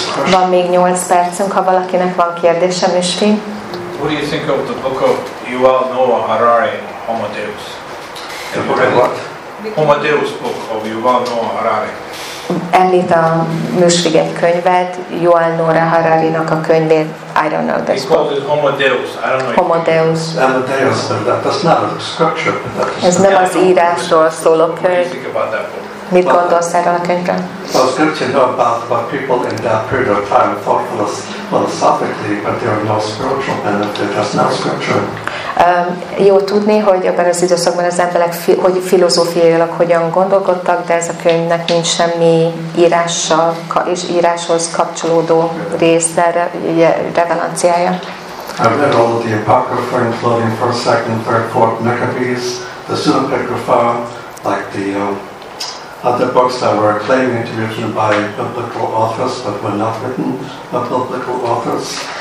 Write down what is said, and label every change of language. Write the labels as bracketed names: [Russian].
[Hungarian] Van még 8 percünk, ha valakinek van kérdése, Misri. [English] What do you think of the book of Yuval Noah Harari, Homo Deus? The book of what? Homo Deus book of Yuval Noah Harari. [Hungarian] Említ a Misriget könyvet, Yuval Noah Harari-nak a könyvét. [English] I don't know this book. He called it Homo Deus. I don't know. Homo Deus. Homo Deus, that's not a scripture. [Hungarian] Ez nem az írásról szóló könyv. Mit gondolsz erről a könyvről? [English] Well, it's good to know about what people in that period of time thought philosophically, but there are no spiritual benefits. That's not scripture. [Hungarian] Jó tudni, hogy ebben az időszakban az emberek hogy filozófiailag hogyan gondolkodtak, de ez a könyvnek nincs semmi írással és íráshoz kapcsolódó része, revelanciája. [English] I've read all of the Apocrypha, including 1st, 2nd, 3rd, 4th, Maccabees, the Pseudepigrapha, like the... other books that were claiming to be written by biblical authors, but were not written by biblical authors.